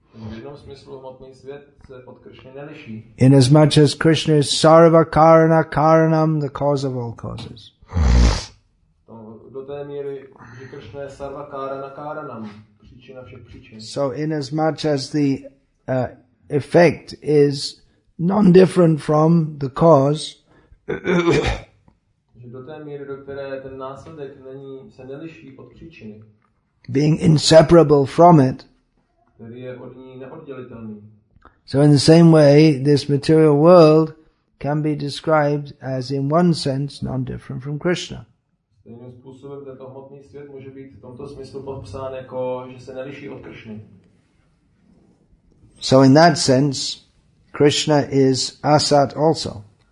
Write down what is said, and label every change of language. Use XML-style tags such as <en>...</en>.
<cs>V jednom smyslu hmotný svět se od Kršny neliší.</cs> <en>Inasmuch as Krishna is sarva karana karanam, the cause of all causes.</en> <cs>Do té míry, že Kršna je sarva karana karanam, příčina všech příčin.</cs> <en>So inasmuch as the effect is non-different from the cause.</en> <cs>Do té míry, do které ten následek není, se neliší od příčiny.</cs> <en>Being inseparable from it.</en> <cs>Který je od ní neoddělitelný.</cs> <en>So in the same way, this material world can be described as in one sense non-different from Krishna.</en> <cs>Stejným způsobem tento hmotný svět může být v tomto smyslu popsán jako, že se neliší od Krishny.</cs> <en>So in that sense, Krishna is asat also.</en>